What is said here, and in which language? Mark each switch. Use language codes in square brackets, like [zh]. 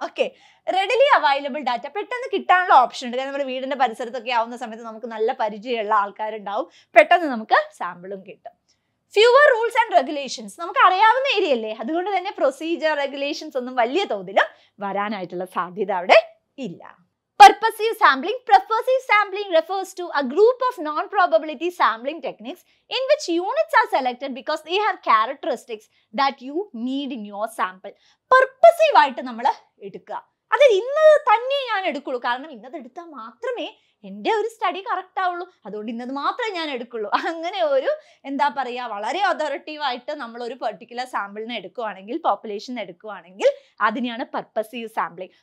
[ml] Okay, readily available data, പെട്ടെന്ന് കിട്ടാനുള്ള option ഉണ്ട്. കാരണം നമ്മൾ വീടിന്റെ പരിസരത്തൊക്കെ ആവുന്ന സമയത്ത് നമുക്ക് നല്ല പരിചയമുള്ള ആൾക്കാരുണ്ടാവും, പെട്ടെന്ന് നമുക്ക് സാമ്പിളും കിട്ടും. [en] fewer rules and regulations, [ml] നമുക്ക് അറിയാവുന്ന ഏരിയ അല്ലേ, അതുകൊണ്ട് തന്നെ പ്രൊസീജിയർ റെഗുലേഷൻസ് ഒന്നും വലിയ തോതിലും വരാനായിട്ടുള്ള സാധ്യത അവിടെ ഇല്ല. [en] Purposive sampling. Purposive sampling refers to a group of non-probability sampling techniques in which units are selected because they have characteristics that you need in your sample. [ml] Purposive ആയിട്ട് നമ്മൾ എടുക്കുക. അത് ഇന്ന് തന്നെ ഞാൻ എടുക്കുള്ളൂ, കാരണം ഇന്നത് എടുത്താൽ മാത്രമേ എൻ്റെ ഒരു സ്റ്റഡി കറക്റ്റ് ആവുള്ളൂ, അതുകൊണ്ട് ഇന്നത് മാത്രമേ ഞാൻ എടുക്കുള്ളൂ. അങ്ങനെ ഒരു എന്താ പറയുക വളരെ അതോറിറ്റീവായിട്ട് നമ്മൾ ഒരു പെർട്ടിക്കുലർ സാമ്പിളിനെ എടുക്കുവാണെങ്കിൽ, പോപ്പുലേഷൻ എടുക്കുവാണെങ്കിൽ, അതിനെയാണ് പർപ്പസീവ് സാമ്പിളിംഗ്.